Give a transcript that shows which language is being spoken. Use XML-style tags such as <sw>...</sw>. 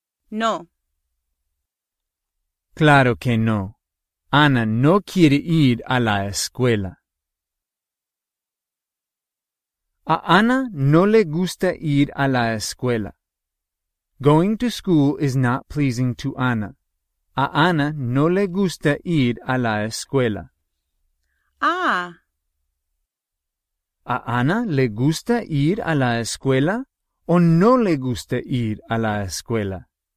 <es>No. Claro que no. Ana no quiere ir a la escuela. A Ana no le gusta ir a la escuela.</es> <en>Going to school is not pleasing to Ana.</en> <es>A Ana no le gusta ir a la escuela. Ah. ¿A Ana le gusta ir a la escuela o no le gusta ir a la escuela?</es>